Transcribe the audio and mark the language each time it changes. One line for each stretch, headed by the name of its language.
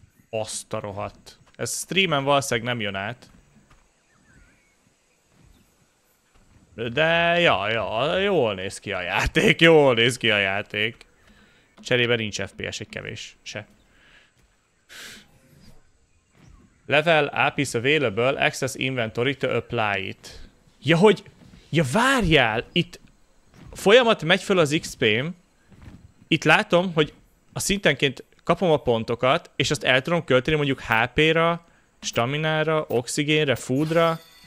Hungarian: Azt a rohadt. Ez streamen valószínűleg nem jön át. De ja, jól néz ki a játék. Cserébe nincs FPS, egy kevés se.
English: Level up is available, access inventory to apply it.
Hungarian: Ja, hogy... Ja, várjál! Itt folyamat megy föl az XP-m. Itt látom, hogy a szintenként kapom a pontokat, és azt el tudom költeni mondjuk HP-ra, staminára, oxigénre, foodra.